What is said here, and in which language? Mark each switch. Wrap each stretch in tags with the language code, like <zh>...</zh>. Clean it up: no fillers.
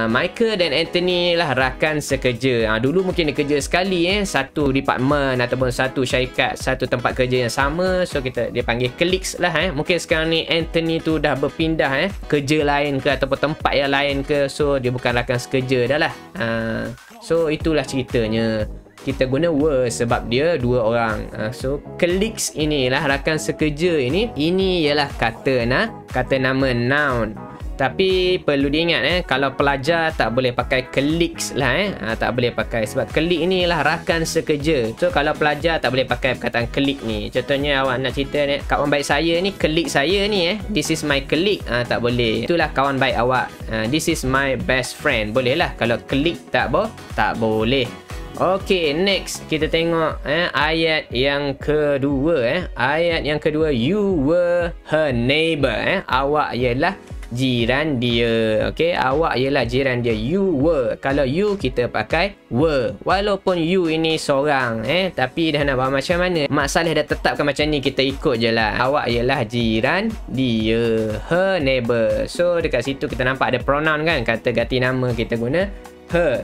<ms>Michael dan Anthony lah rakan sekerja. Dulu mungkin dia kerja sekali, eh, satu department ataupun satu syarikat, satu tempat kerja yang sama. So kita dia panggil colleagues lah, eh. Mungkin sekarang ni Anthony tu dah berpindah, eh, kerja lain ke ataupun tempat yang lain ke. So dia bukan rakan sekerja dah lah. So itulah ceritanya. Kita guna were sebab dia dua orang. So colleagues inilah, rakan sekerja ini, ini ialah kata nah, kata nama noun. Tapi perlu diingat, eh, kalau pelajar tak boleh pakai colleagues lah, eh. Tak boleh pakai sebab colleague ni ialah rakan sekerja. So kalau pelajar tak boleh pakai perkataan colleague ni. Contohnya awak nak cerita ni, kawan baik saya ni, colleague saya ni, eh,</ms> <en>this is my colleague.</en> <ms>Tak boleh. Itulah kawan baik awak.</ms> <en>This is my best friend.</en> <ms>Boleh lah. Kalau colleague tak boleh, tak boleh. Okay, next kita tengok, eh, ayat yang kedua, eh. Ayat yang kedua,</ms> <en>you were her neighbor, eh.</en> <ms>Awak ialah jiran dia. Okay, awak ialah jiran dia. You were. Kalau you, kita pakai were. Walaupun you ini seorang, eh, tapi dah nak faham macam mana. Mak Saleh dah tetapkan macam ni, kita ikut je lah. Awak ialah jiran dia,</ms> <en>her neighbor.</en> <ms>So dekat situ kita nampak ada pronoun kan, kata ganti nama kita guna her.</ms>